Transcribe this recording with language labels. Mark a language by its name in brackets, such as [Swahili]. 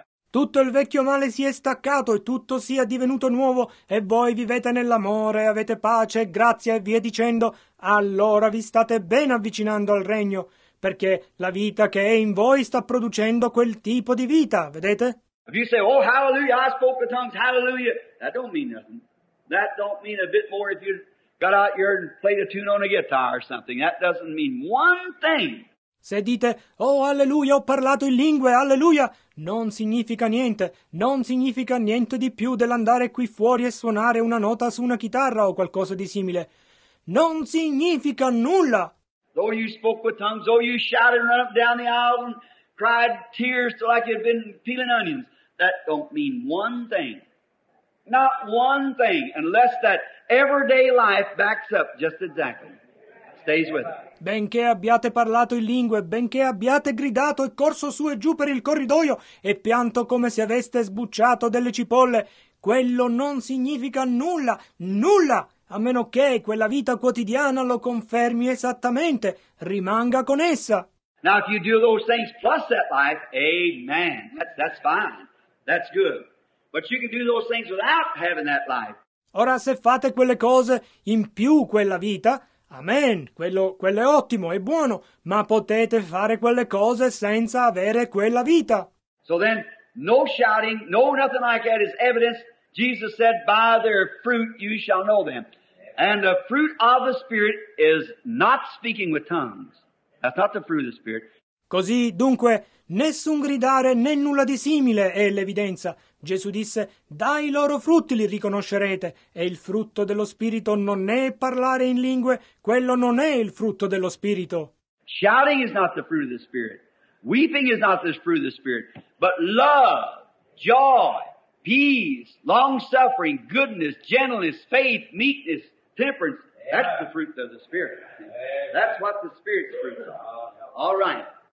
[Italian] Tutto il vecchio male si è staccato e tutto sia divenuto nuovo e voi vivete nell'amore, avete pace e grazia e via dicendo, allora vi state ben avvicinando al regno, perché la vita che è in voi sta producendo quel tipo di vita, vedete? [English] If you say, oh, hallelujah, I spoke the tongues, hallelujah, that don't mean nothing. That don't mean a bit more if you got out here and played a tune on a guitar or something. That doesn't mean one thing. [Italian] Se dite, oh, alleluia, ho parlato in lingue, alleluia, non significa niente. Non significa niente di più dell'andare qui fuori e suonare una nota su una chitarra o qualcosa di simile. Non significa nulla. [English] Though you spoke with tongues, though you shouted and ran up down the aisle and cried tears till like you'd been peeling onions, that don't mean one thing. Not one thing, unless that everyday life backs up just exactly. Stays with it. [Italian] Benché abbiate parlato in lingue, benché abbiate gridato e corso su e giù per il corridoio e pianto come se aveste sbucciato delle cipolle, quello non significa nulla, nulla, a meno che quella vita quotidiana lo confermi esattamente, rimanga con essa. [English] Now if you do those things plus that life, amen, that's fine, that's good. But you can do those things without having that life. [Italian] Ora se fate quelle cose in più quella vita, amen, quello è ottimo, è buono, ma potete fare quelle cose senza avere quella vita. [English] So then, no shouting, no nothing like that is evidence. Jesus said, by their fruit you shall know them. And the fruit of the Spirit is not speaking with tongues. That's not the fruit of the Spirit. [Italian] Così, dunque, nessun gridare né nulla di simile è l'evidenza. Gesù disse, dai loro frutti li riconoscerete. E il frutto dello Spirito non è parlare in lingue, quello non è il frutto dello Spirito. [English] Shouting is not the fruit of the Spirit. Weeping is not the fruit of the Spirit. But love, joy, peace, long-suffering, goodness, gentleness, faith, meekness, temperance, that's the fruit of the Spirit. That's what the Spirit's fruit is. All right.